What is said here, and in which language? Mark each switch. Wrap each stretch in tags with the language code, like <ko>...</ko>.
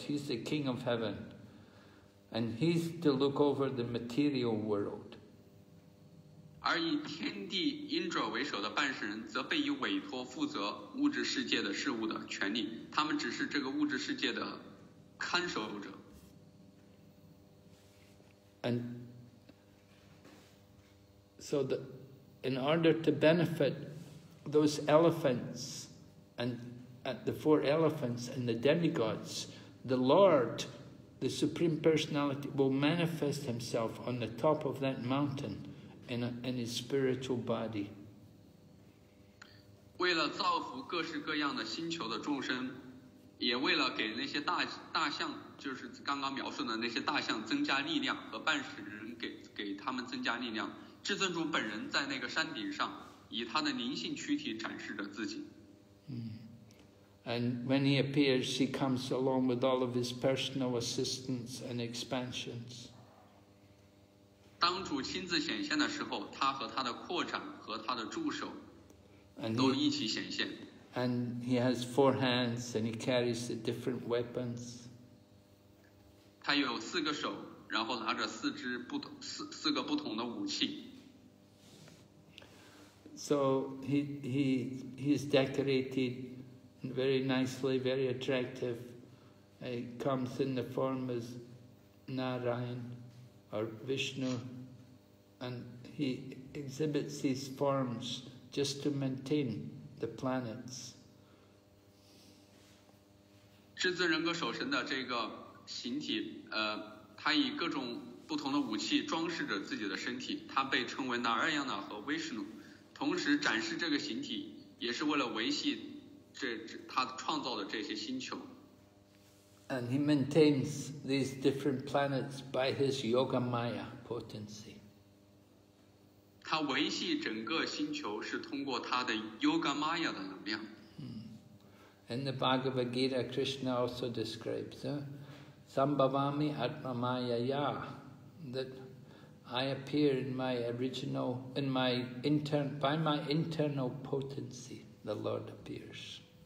<en>He's the king of heaven. And he's to look over the material world.</en> <zh>而以天地 Indra 为首的半神人则被以委托负责物质世界的事物的权利。他们只是这个物质世界的看守者。</zh> <en>And so in order to benefit those elephants and the four elephants and the demigods, the Lord, the Supreme Personality, will manifest himself on the top of that mountain in his spiritual body.</en> <zh>为了造福各式各样的星球的众生，也为了给那些大象，就是刚刚描述的那些大象增加力量和半神人给他们增加力量，至尊主本人在那个山顶上以他的灵性躯体展示着自己。</zh> <en>And when he appears, he comes along with all of his personal assistants and expansions.</en> <zh>当主亲自显现的时候，他和他的扩展和他的助手都一起显现。</zh> <en>And he has four hands and he carries the different weapons.</en> <zh>他有四个手，然后拿着四支不同四个不同的武器。</zh> <en>So he's decorated very nicely, very attractive. He comes in the form as Narayan or Vishnu, and he exhibits these forms just to maintain the planets.</en> <zh>至尊人格守神的这个形体，他以各种不同的武器装饰着自己的身体，他被称为 Narayan 和 Vishnu。同时展示这个形体也是为了维系他创造的这些星球。</zh> <en>And he maintains these different planets by his yoga maya potency.</en> <zh>他维系整个星球是通过他的 yoga maya 的能量。</zh> <en>In the Bhagavad Gita, Krishna also describes,</en> <sa>Sambhavami Atmamayaya,</sa> <en>that I appear in my original, in my internal, by my internal potency, the Lord appears.</en>